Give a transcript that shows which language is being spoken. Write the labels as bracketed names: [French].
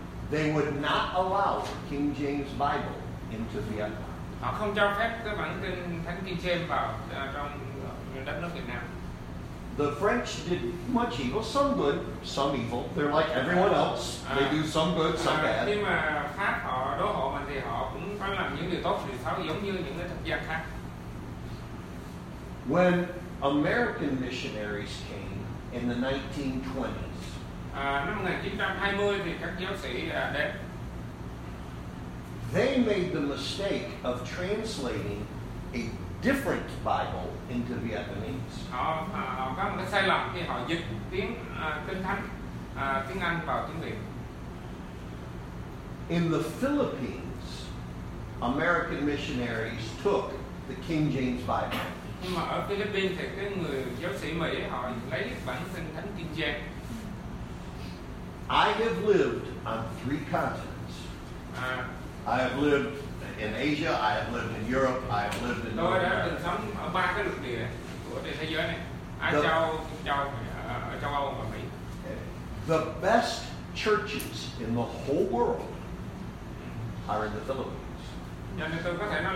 [English] They would not allow King James Bible into Vietnam. [Vietnamese] Họ không cho phép cái bản Kinh Thánh King James vào trong đất nước Việt Nam. [English] The French did much evil, some good, some evil. They're like everyone else. They do some good, some bad. [Vietnamese] Khi mà Pháp họ đối hộ mình thì họ cũng có làm những điều tốt, điều xấu giống như những người thực dân khác. [English] When American missionaries came in the 1920s. [Vietnamese] Năm 1920 thì các giáo sĩ đến. [English] They made the mistake of translating a different Bible into Vietnamese. [Vietnamese] Họ có một cái sai lầm khi họ dịch tiếng Kinh Thánh tiếng Anh vào tiếng Việt. [English] In the Philippines, American missionaries took the King James Bible. [Vietnamese] Nhưng mà ở Philippines thì cái người giáo sĩ Mỹ họ lấy bản thân thánh King James. [English] I have lived on three continents. I have lived in Asia, I have lived in Europe, I have lived in North America. [Vietnamese] Tôi đã từng sống ở ba cái lục địa của thế giới này. Châu Âu và Mỹ. [English] The best churches in the whole world are in the Philippines.